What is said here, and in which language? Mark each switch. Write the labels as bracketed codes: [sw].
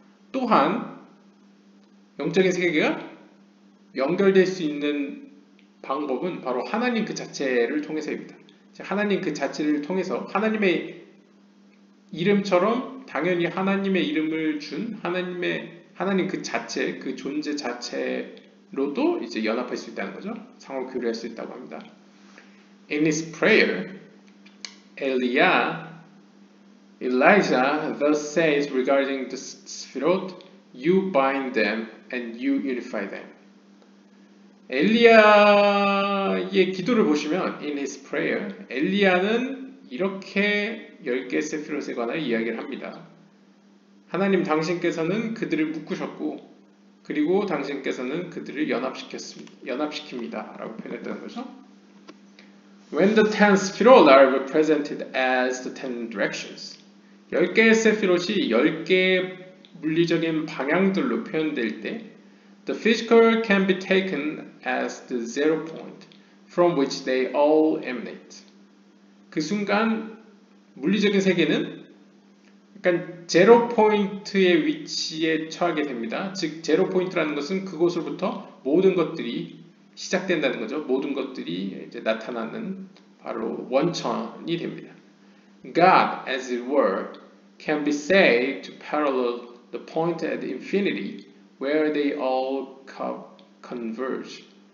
[ko] 또한 영적인 세계가 연결될 수 있는 방법은 바로 하나님 그 자체를 통해서입니다. 하나님 그 자체를 통해서 하나님의 이름처럼 당연히 하나님의 이름을 준 하나님 그 자체, 그 존재 자체로도 이제 연합할 수 있다는 거죠. 상호 교류할 수 있다고 합니다. [en] In his prayer, Elijah thus says regarding the Sefirot, you bind them and you unify them. [ko] 엘리야의 기도를 보시면, [en] in his prayer, [ko] 엘리야는 이렇게 10개 세피롯에 관하여 이야기를 합니다. 하나님 당신께서는 그들을 묶으셨고, 그리고 당신께서는 그들을 연합시킵니다. 라고 표현했다는 거죠. [en] When the ten Sefirot are represented as the ten directions, [ko] 10개의 세피롯이 10개의 물리적인 방향들로 표현될 때, [en] the physical can be taken as the zero point from which they all emanate. [ko] 그 순간 물리적인 세계는 약간 제로 포인트의 위치에 처하게 됩니다. 즉 제로 포인트라는 것은 그곳으로부터 모든 것들이 시작된다는 거죠. 모든 것들이 이제 나타나는 바로 원천이 됩니다. [en] God, as it were, can be said to parallel the point at infinity where they all converge.